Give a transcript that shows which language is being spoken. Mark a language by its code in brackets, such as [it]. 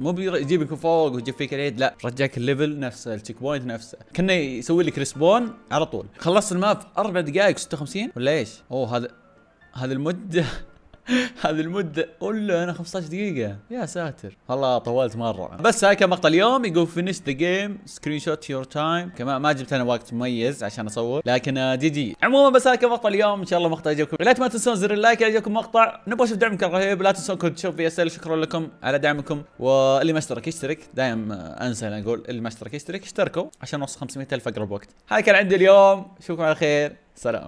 [ar] مو بيجيبك فوق ويجيب فيك العيد لا رجعك الليفل نفسه التشيك بوينت نفسه كانه يسوي لك ريسبون على طول. خلصت الماب في 4 دقائق 56 ولا ايش؟ اوه هذا المده هذه المدة قول أنا 15 دقيقة يا ساتر والله طولت مرة. بس هاي كان مقطع اليوم يقول [en] finish the game screen shot your time. [ar] كمان ما جبت أنا وقت مميز عشان أصور لكن دي جي. عموما بس هاي كان مقطع اليوم إن شاء الله مقطع عجبكم. لا تنسون زر اللايك إذا عجبكم مقطع. نبغى نشوف دعمكم الرهيب. لا تنسون كنت تشوف VSL. شكرا لكم على دعمكم. واللي ما اشترك يشترك. دايم أنسى أقول اللي ما اشترك يشترك. اشتركوا عشان نوصل 500 ألف أقرب وقت. هاي كان عندي اليوم. أشوفكم على خير. سلام.